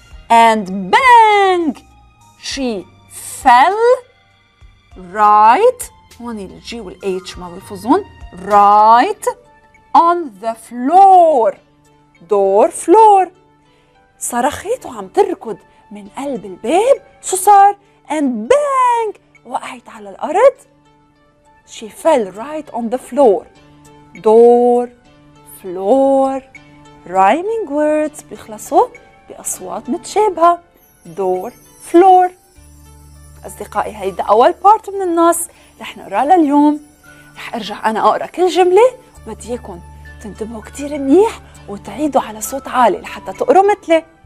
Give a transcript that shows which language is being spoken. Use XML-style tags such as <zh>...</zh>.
<en>And bang, she fell right,</en> <ar>هون الـ G والـ H ما بلفظون,</ar> <en>right on the floor, door floor.</en> <ar>صرخت وعم تركض من قلب الباب. شو صار؟</ar> <en>And bang,</en> <ar>وقعت على الأرض.</ar> <en>She fell right on the floor, door floor. Rhyming words</en> <ar>بيخلصوا بأصوات متشابهة.</ar> <en>Door, floor.</en> <ar>أصدقائي هيدا أول بارت من النص رح نقرأ لليوم. رح أرجع أنا أقرأ كل جملة وبديكن تنتبهوا كتير منيح وتعيدوا على صوت عالي لحتى تقروا مثلي.</ar>